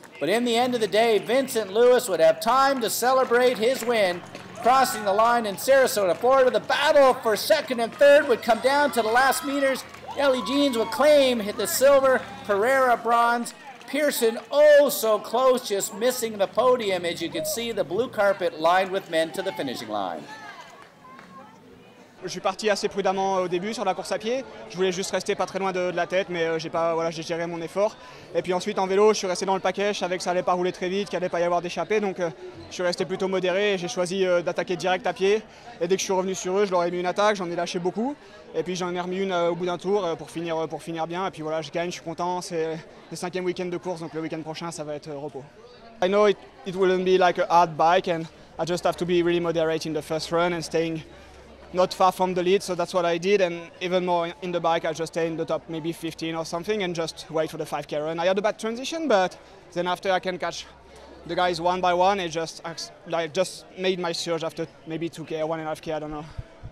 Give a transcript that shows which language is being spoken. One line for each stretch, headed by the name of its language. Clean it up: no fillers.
English: But in the end of the day, Vincent Lewis would have time to celebrate his win, crossing the line in Sarasota, Florida. The battle for second and third would come down to the last meters. Ellie Jeans would claim hit the silver, Pereira bronze, Pearson oh so close, just missing the podium, as you can see the blue carpet lined with men to the finishing line.
French: Je suis parti assez prudemment au début sur la course à pied. Je voulais juste rester pas très loin de la tête, mais j'ai pas voilà, j'ai géré mon effort. Et puis ensuite en vélo, je suis resté dans le paquet, je savais que ça allait pas rouler très vite, qu'il allait pas y avoir d'échappée, donc je suis resté plutôt modéré et j'ai choisi d'attaquer direct à pied. Et dès que je suis revenu sur eux, je leur ai mis une attaque, j'en ai lâché beaucoup. Et puis j'en ai remis une au bout d'un tour pour finir bien. Et puis voilà, je gagne, je suis content. C'est le cinquième week-end de course, donc le week-end prochain ça va être repos.
English: I know it wouldn't be like a hard bike and I just have to be really moderate in the first run and staying not far from the lead, so that's what I did, and even more in the bike, I just stayed in the top maybe 15 or something and just wait for the 5K run. I had a bad transition, but then after I can catch the guys one by one, it just like just made my surge after maybe 2K or 1.5K, I don't know.